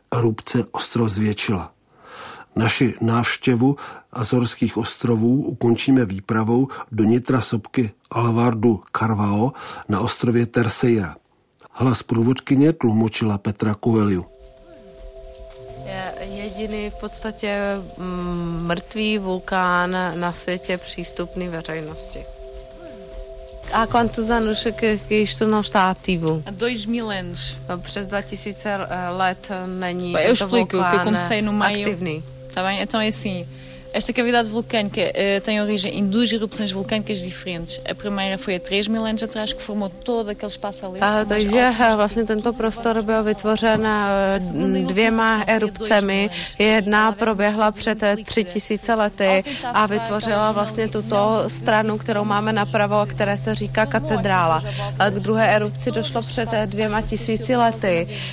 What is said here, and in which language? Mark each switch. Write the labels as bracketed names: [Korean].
[Czech] Erupce ostrov zvětšila. Naši návštěvu azorských ostrovů ukončíme výpravou do nitra sopky Alvardu Carvao na ostrově Terceira. Hlas průvodkyně tlumočila Petra Coelho. Jediný v podstatě mrtvý vulkán na světě přístupný veřejnosti. [Portuguese] A quantos anos que isto não está ativo? Há 2000 anos. [Czech] Přes 2000 let není tento vulkán aktivný. [Portuguese] Eu explico, que comecei no meio. Está bem? Então é assim, esta cavidade vulcânica tem origem em duas erupções vulcânicas diferentes. A primeira foi há 3000 anos atrás, que formou todo aquele espaço ali. [Czech] Takže vlastně tento prostor byl vytvořen dvěma erupcemi. Jedna proběhla před 3000 lety a vytvořila vlastně tuto stranu, kterou máme napravo, a které se říká katedrála. K druhé erupci došlo před 2000 lety.